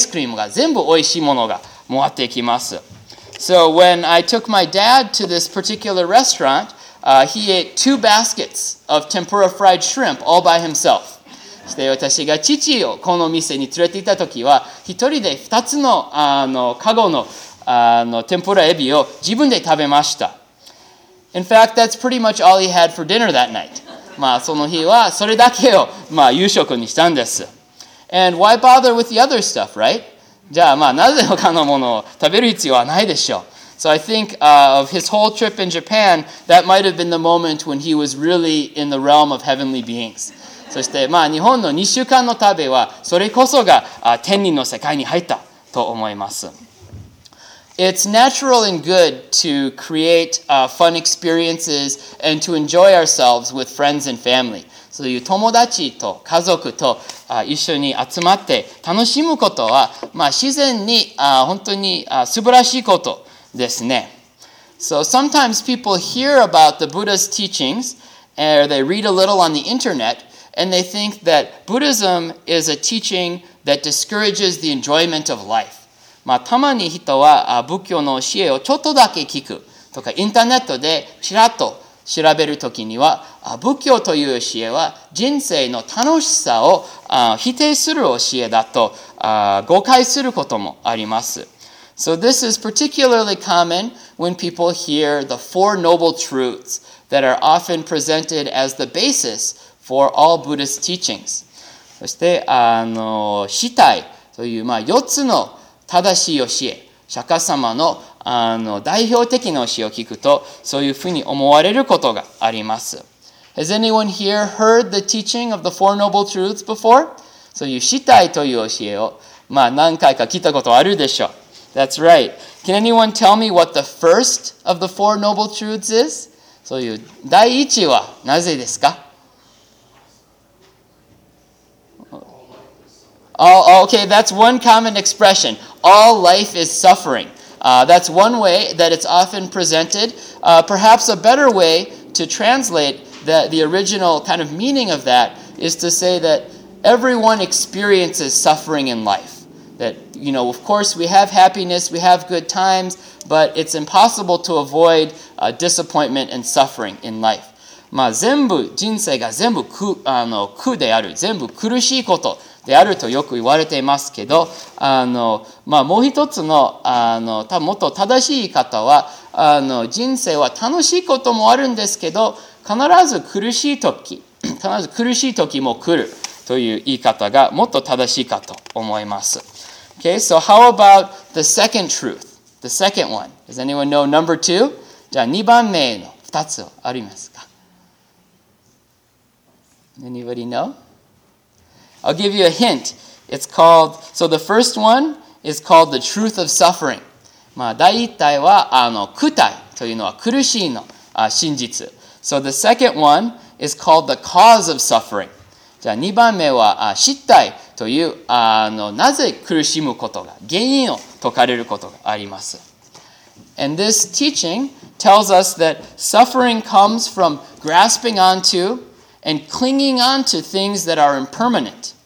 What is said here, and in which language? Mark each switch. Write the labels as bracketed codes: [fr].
[ja] そして、その回転にも、うどんもありますし、フライポテト、ミートボールの寿司、エビの天ぷらとか、ケーキとかアイスクリームが全部美味しいものが回ってきます。 [en] So when I took my dad to this particular restaurant, he ate 2 baskets of tempura fried shrimp all by himself. [ja] そして私が父をこの店に連れて行った時は、一人で2つのカゴの天ぷらエビを自分で食べました。 [en] In fact, that's pretty much all he had for dinner that night. [ja] その日はそれだけを夕食にしたんです。 [en] And why bother with the other stuff, right? [ja] じゃあなぜ他のものを食べる必要はないでしょう。 [en] So I think of his whole trip in Japan, that might have been the moment when he was really in the realm of heavenly beings. [ja] そして日本の2週間の旅はそれこそが天人の世界に入ったと思います。 [en] It's natural and good to create fun experiences and to enjoy ourselves with friends and family. [ja] そういう友達と家族と一緒に集まって楽しむことは、まあ、自然に本当に素晴らしいことですね。 [en] So sometimes people hear about the Buddha's teachings, or they read a little on the internet, and they think that Buddhism is a teaching that discourages the enjoyment of life. [ja] まあ、たまに人は仏教の教えをちょっとだけ聞くとかインターネットでちらっと調べるときには仏教という教えは人生の楽しさを否定する教えだと誤解することもあります。 [en] So this is particularly common when people hear the Four Noble Truths that are often presented as the basis for all Buddhist teachings. [ja] そして四諦という、まあ、四つの正しい教え、釈迦様の、代表的な教えを聞くと、そういうふうに思われることがあります。 [en] Has anyone here heard the teaching of the Four Noble Truths before? [ja] そういう四諦という教えを、まあ何回か聞いたことあるでしょう。 [en] That's right. Can anyone tell me what the first of the Four Noble Truths is? [ja] そういう第一はなぜですか？ [en] Oh, okay, that's one common expression. All life is suffering. That's one way that it's often presented. Perhaps a better way to translate the original kind of meaning of that is to say that everyone experiences suffering in life. That, you know, of course we have happiness, we have good times, but it's impossible to avoid disappointment and suffering in life. [ja] まあ、全部人生が全部 苦である全部苦しいことであるとよく言われていますけどまあ、もう一つ のもっと正しい言い方は人生は楽しいこともあるんですけど必ず苦しい時も来るという言い方がもっと正しいかと思います。 [en] Okay, so how about the second truth? The second one. Does anyone know number two? [ja] じゃあ2番目の2つありますか？ [en] Anybody know? I'll give you a hint. It's called, so the first one is called the truth of suffering. [ja] まあ、第一体は、苦体というのは苦しいの、真実。 [en] So the second one is called the cause of suffering. [ja] じゃあ、二番目は、失態という、なぜ苦しむことが、原因を解かれることがあります。 [en] And this teaching tells us that suffering comes from grasping onto,and clinging on to things that are impermanent.